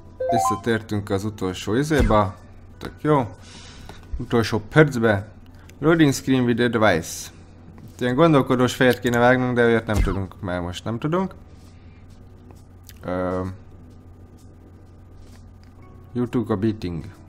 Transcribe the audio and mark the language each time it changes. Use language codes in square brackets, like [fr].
[hu] Visszatértünk az utolsó izébe. Tök jó. Utolsó percbe. [en] Loading screen with advice. [hu] Ilyen gondolkodós fejet kéne vágnunk, de olyat nem tudunk, mert most nem tudunk. [en] You took a beating.